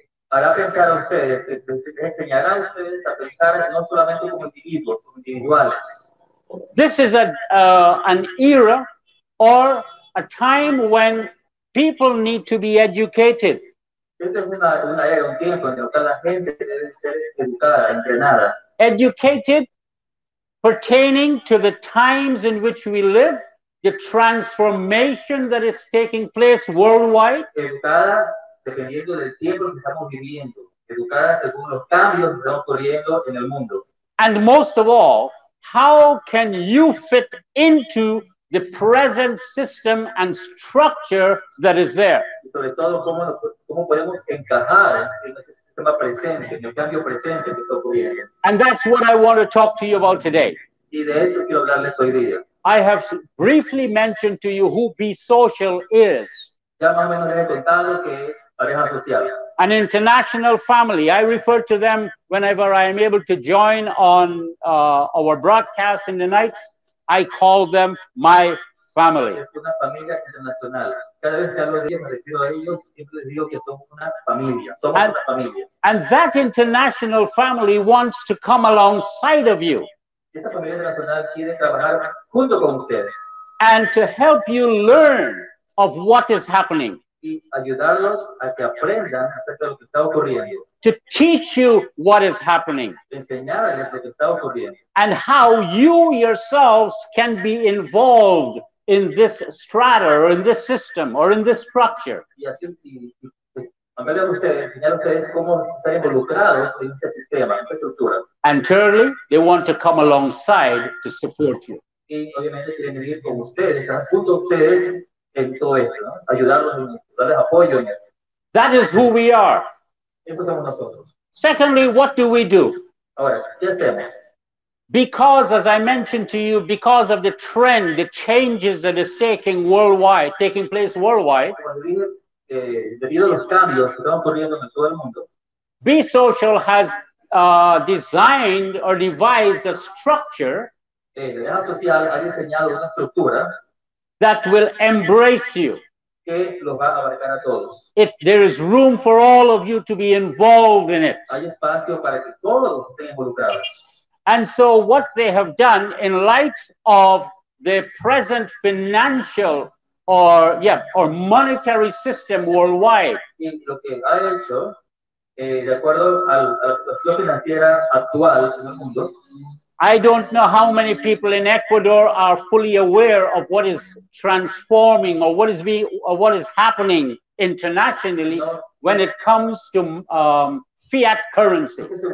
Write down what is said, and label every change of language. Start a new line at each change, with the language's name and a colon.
Spanish: Hará pensar a ustedes, enseñará a ustedes a pensar no solamente como individuos, como individuales.
English: This is an era or a time when people need to be educated.
Spanish: Esta es una era, un tiempo en el cual la gente debe ser educada, entrenada.
English: Educated pertaining to the times in which we live, the transformation that is taking place worldwide.
Spanish: Educada dependiendo del tiempo que estamos viviendo, educada según los cambios que estamos ocurriendo en el mundo.
English: And most of all, how can you fit into the present system and structure that is there?
Spanish: Sobre todo, ¿cómo podemos encajar en ese sistema presente, en el cambio presente que está ocurriendo?
English: And that's what I want to talk to you about today.
Spanish: Y de eso quiero hablarles hoy día.
English: I have briefly mentioned to you who Be Social is.
Spanish: Ya más o menos les he contado que es pareja social.
English: An international family. I refer to them whenever I am able to join on our broadcast in the nights. I call them my family.
Spanish: Es una familia internacional. Cada vez que hablo de ellos, me refiero a ellos, siempre les digo que somos una familia. Una familia.
English: And that international family wants to come alongside of you.
Spanish: Esa familia internacional quiere trabajar junto con ustedes.
English: And to help you learn of what is happening.
Spanish: Y ayudarlos a que aprendan acerca de lo que está ocurriendo.
English: To teach you what is happening.
Spanish: Enseñarles lo que está ocurriendo.
English: And how you yourselves can be involved in this strata or in this system or in this structure.
Spanish: Y así, y a ver ustedes, enseñar a ustedes cómo estar involucrados en este sistema, en esta estructura.
English: And thirdly, they want to come alongside to support you.
Spanish: Y obviamente quieren venir con ustedes, estar junto a ustedes. En todo esto, ¿no? Ayudarlos, darles apoyo en eso.
English: That is who we are.
Spanish: Eso somos nosotros.
English: Secondly, what do we do?
Spanish: Ahora, ¿qué hacemos?
English: Because, as I mentioned to you, because of the trend, the changes that is taking place worldwide,
Spanish: debido a los cambios que están ocurriendo en todo el mundo,
English: Be Social has designed or devised a structure.
Spanish: La red social ha diseñado una estructura.
English: That will embrace you.
Spanish: Que los va a abarcar a todos.
English: If there is room for all of you to be involved in it.
Spanish: Hay espacio para que todos estén involucrados.
English: And so what they have done in light of the present financial or monetary system worldwide.
Spanish: Y lo que ha hecho, de acuerdo a la situación financiera actual en el mundo.
English: I don't know how many people in Ecuador are fully aware of what is transforming or what is happening internationally when it comes to fiat currency.